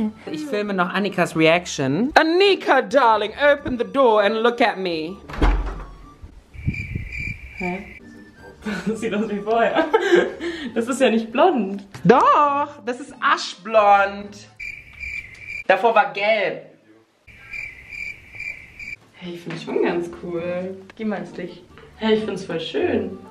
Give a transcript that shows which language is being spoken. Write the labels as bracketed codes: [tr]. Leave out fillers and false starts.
[de] Ich filme noch Annikas Reaction. [en] Annika, darling, open the door and look at me. [de] Das sieht aus wie vorher. Das ist ja nicht blond. Doch, das ist aschblond. Davor war gelb. Hey, ich finde schon ganz cool. Geh mal ins Licht. Hey, ich finde es voll schön.